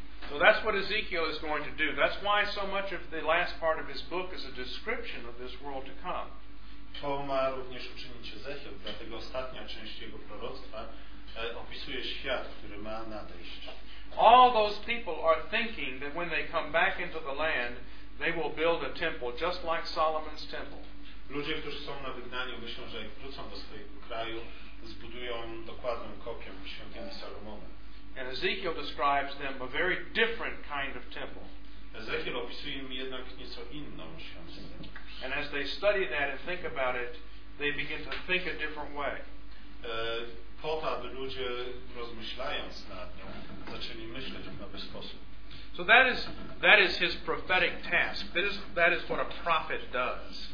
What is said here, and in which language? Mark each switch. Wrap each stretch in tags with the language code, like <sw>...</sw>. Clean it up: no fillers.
<en>So that's what Ezekiel is going to do. That's why so much of the last part of his book is a description of this world to come.</en> <pl>To ma również uczynić Ezechiel, dlatego ostatnia część jego proroctwa opisuje świat, który ma nadejść.</pl> <en>All those people are thinking that when they come back into the land, they will build a temple just like Solomon's temple.</en> <pl>Ludzie, którzy są na wygnaniu, myślą, że jak wrócą do swojego kraju, zbudują dokładną kopię świątyni Salomona.</pl> <en>And Ezekiel describes them a very different kind of temple.</en> <pl>Ezekiel opisuje im jednak nieco inną świątynię.</pl> <en>And as they study that and think about it, they begin to think a different way.</en> <pl>Po to, aby ludzie, rozmyślając nad nią, zaczęli myśleć w nowy sposób.</pl> <en>So that is his prophetic task. That is what a prophet does.</en>